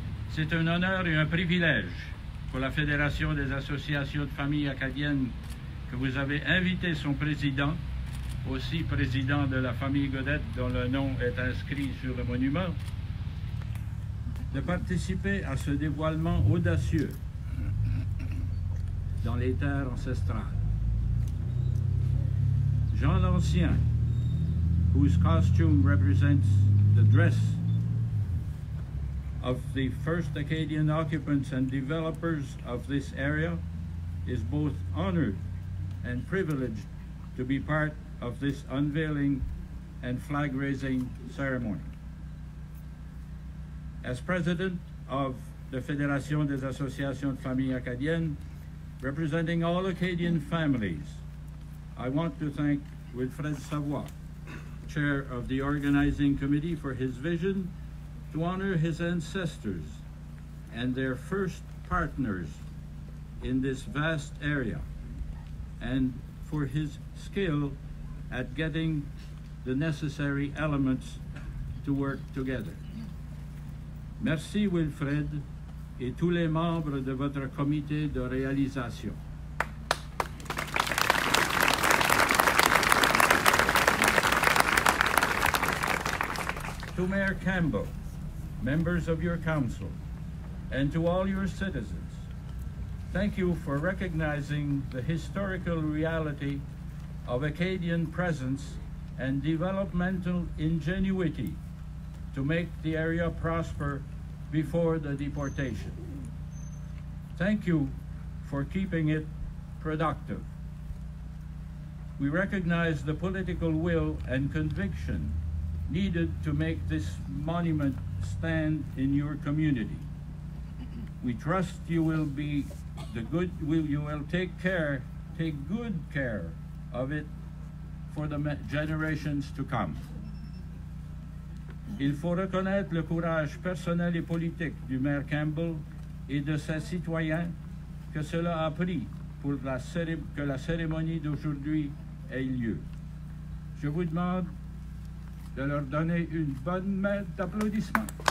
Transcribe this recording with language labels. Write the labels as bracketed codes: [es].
[fr] C'est un honneur et un privilège pour la Fédération des associations de familles acadiennes que vous avez invité son président, aussi président de la famille Godet, dont le nom est inscrit sur le monument, de participer à ce dévoilement audacieux dans les terres ancestrales. [en] Jean l'Ancien, whose costume represents the dress of the first Acadian occupants and developers of this area, is both honored and privileged to be part of this unveiling and flag-raising ceremony. As president of the Fédération des Associations de Familles Acadiennes, representing all Acadian families, I want to thank Wilfred Savoie, chair of the organizing committee, for his vision to honor his ancestors and their first partners in this vast area, and for his skill at getting the necessary elements to work together. [fr] Merci Wilfred et tous les membres de votre comité de réalisation. [en] To Mayor Campbell, members of your council, and to all your citizens, thank you for recognizing the historical reality of Acadian presence and developmental ingenuity to make the area prosper before the deportation. Thank you for keeping it productive. We recognize the political will and conviction needed to make this monument stand in your community. We trust you will be the good, you will take good care of it for the generations to come. [fr] Il faut reconnaître le courage personnel et politique du maire Campbell et de ses citoyens que cela a pris pour que la cérémonie d'aujourd'hui ait lieu. Je vous demande de leur donner une bonne main d'applaudissements.